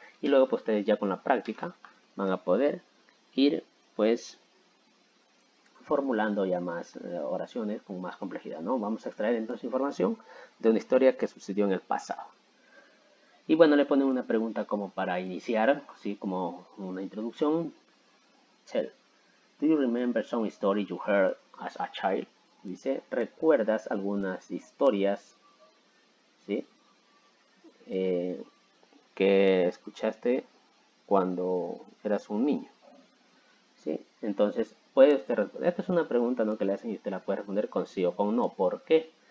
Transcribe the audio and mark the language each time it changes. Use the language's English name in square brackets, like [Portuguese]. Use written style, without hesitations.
[Spanish] Y luego, pues, ustedes ya con la práctica van a poder ir, pues, formulando ya más oraciones con más complejidad, ¿no? Vamos a extraer entonces información de una historia que sucedió en el pasado. Y bueno, le ponen una pregunta como para iniciar, así como una introducción. [English] Tell, do you remember some story you heard as a child? [Spanish] Dice, ¿recuerdas algunas historias, sí, que escuchaste cuando eras un niño? ¿Sí? Entonces, puede usted responder. Esta es una pregunta, ¿no?, que le hacen y usted la puede responder con sí o con no. ¿Por qué?